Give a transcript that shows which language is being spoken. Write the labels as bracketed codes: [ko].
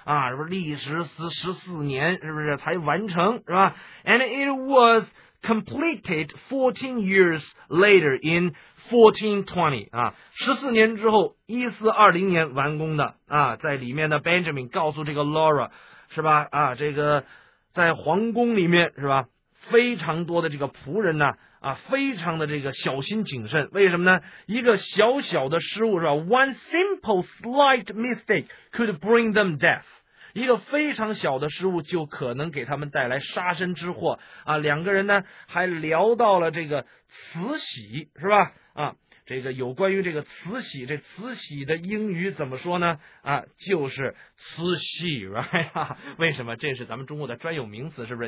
[zh] 是不是历时14年，是不是才完成，是吧 ？ [en] And it was completed 14 years later in 1420 [zh] 啊，14年之后，1420年完工的啊，在里面的 Benjamin 告诉这个 Laura 是吧啊，这个在皇宫里面是吧，非常多的这个仆人呢。啊，非常的这个小心谨慎，为什么呢？一个小小的失误是吧 ？ [en] One simple slight mistake could bring them death。 [zh] 一个非常小的失误就可能给他们带来杀身之祸啊！两个人呢还聊到了这个慈禧是吧？啊，这个有关于这个慈禧，这慈禧的英语怎么说呢？啊，就是慈禧 ， [en] right？ [zh] 为什么？这是咱们中国的专有名词，是不是？